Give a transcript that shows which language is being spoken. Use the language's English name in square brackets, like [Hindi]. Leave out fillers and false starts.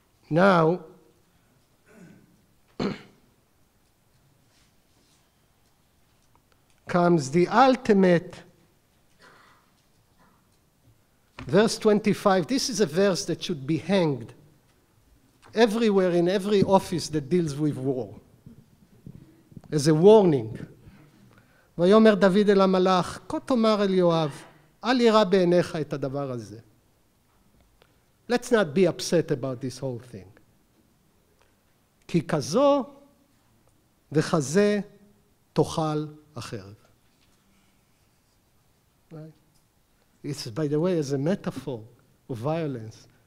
[English] Now, comes the ultimate verse 25. This is a verse that should be hanged everywhere in every office that deals with war. As a warning. [Hebrew] ויאמר דוד אל המלאך, כה תאמר אל יואב, אל ירא בעיניך את הדבר הזה. [English] Let's not be upset about this whole thing. כי כזו וכזה תאכל החרב. Right. It's, by the way, is a metaphor of violence.